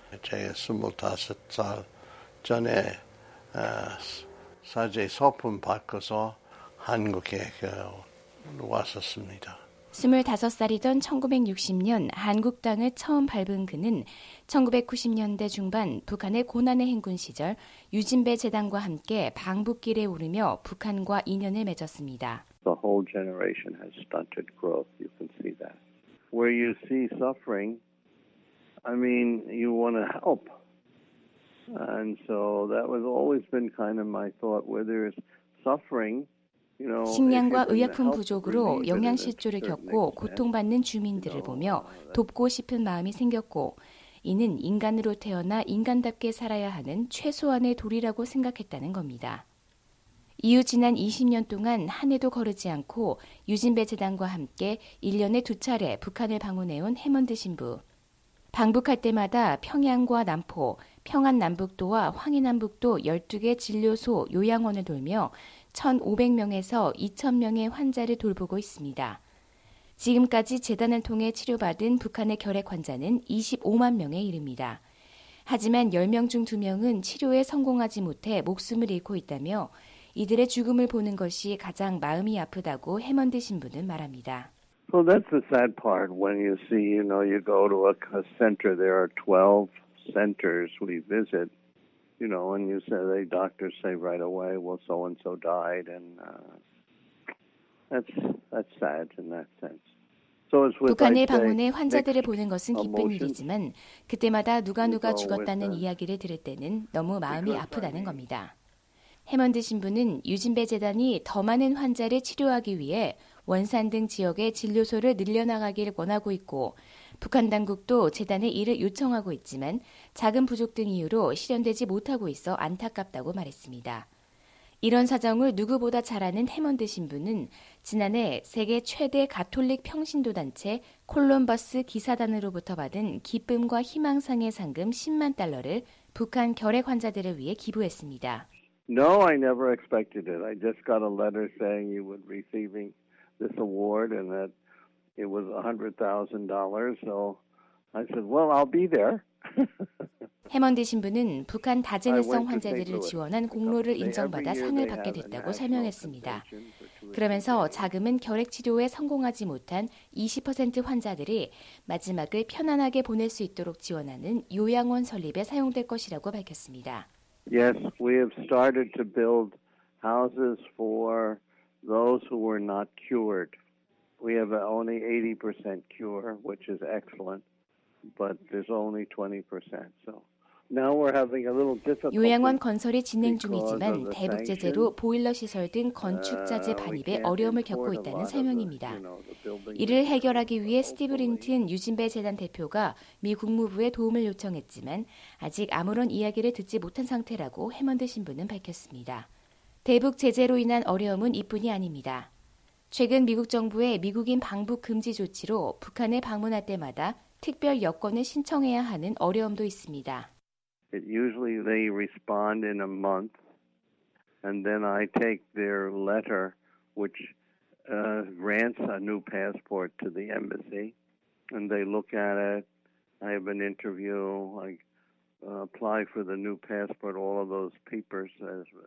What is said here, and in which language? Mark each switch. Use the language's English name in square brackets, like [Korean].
[Korean] 제가 25살 전에 사제 소품 받고서 한국에 왔었습니다. 25살이던 1960년 한국 땅을 처음 밟은 그는 1990년대 중반 북한의 고난의 행군 시절 유진배 재단과 함께 방북길에 오르며 북한과 인연을 맺었습니다. [English] The whole generation has stunted growth. You can see that. Where you see suffering, I mean, you want to help. And so that was always been kind of my thought. Where there is suffering, [Korean] 식량과 의약품 부족으로 영양실조를 겪고 고통받는 주민들을 보며 돕고 싶은 마음이 생겼고 이는 인간으로 태어나 인간답게 살아야 하는 최소한의 도리라고 생각했다는 겁니다. 이후 지난 20년 동안 한 해도 거르지 않고 유진배 재단과 함께 1년에 두 차례 북한을 방문해온 해먼드 신부. 방북할 때마다 평양과 남포, 평안남북도와 황해남북도 12개 진료소, 요양원을 돌며 1,500명에서 2,000명의 환자를 돌보고 있습니다. 지금까지 재단을 통해 치료받은 북한의 결핵 환자는 25만 명에 이릅니다. 하지만 10명 중 2명은 치료에 성공하지 못해 목숨을 잃고 있다며 이들의 죽음을 보는 것이 가장 마음이 아프다고 해먼드 신부는 말합니다. [English] So that's the sad part when you see, you know, you go to a center, there are 12 centers we visit. You know, and you say, the doctors say right away, well, so-and-so died, and that's sad in that sense. [Korean] 북한을 방문해 환자들을 보는 것은 기쁜 일이지만 그때마다 누가 죽었다는 이야기를 들을 때는 너무 마음이 아프다는 겁니다. 해먼드 신부는 유진배 재단이 더 많은 환자를 치료하기 위해 원산 등 지역의 진료소를 늘려나가길 원하고 있고 북한 당국도 재단에 이를 요청하고 있지만 자금 부족 등 이유로 실현되지 못하고 있어 안타깝다고 말했습니다. 이런 사정을 누구보다 잘 아는 해먼드 신부는 지난해 세계 최대 가톨릭 평신도단체 콜럼버스 기사단으로부터 받은 기쁨과 희망상의 상금 10만 달러를 북한 결핵 환자들을 위해 기부했습니다. [English] No, I never expected it. I just got a letter saying you would be receiving this award and that it was $100,000. So I said, well, I'll be there. [Korean] 해먼드 신부는 북한 다재내성 환자들을 지원한 공로를 인정받아 상을 받게 됐다고 설명했습니다. 그러면서 자금은 결핵치료에 성공하지 못한 20% 환자들이 마지막을 편안하게 보낼 수 있도록 지원하는 요양원 설립에 사용될 것이라고 밝혔습니다. [English] Yes, we have started to build houses for those who were not cured. We have only 80% cure, which is excellent. But there's only 20%. So now we're having a little difficulty. [Korean] 요양원 건설이 진행 중이지만 대북 제재로 보일러 시설 등 건축 자재 반입에 어려움을 겪고 있다는 설명입니다. 이를 해결하기 위해 스티브 린튼 유진배 재단 대표가 미 국무부에 도움을 요청했지만 아직 아무런 이야기를 듣지 못한 상태라고 해먼드 신부는 밝혔습니다. 대북 제재로 인한 어려움은 이뿐이 아닙니다. 최근 미국 정부의 미국인 방북 금지 조치로 북한에 방문할 때마다 특별 여권을 신청해야 하는 어려움도 있습니다. [English] It usually they respond in a month and then I take their letter which grants a new passport to the embassy and they look at it. I have an interview like apply for the new passport all of those papers as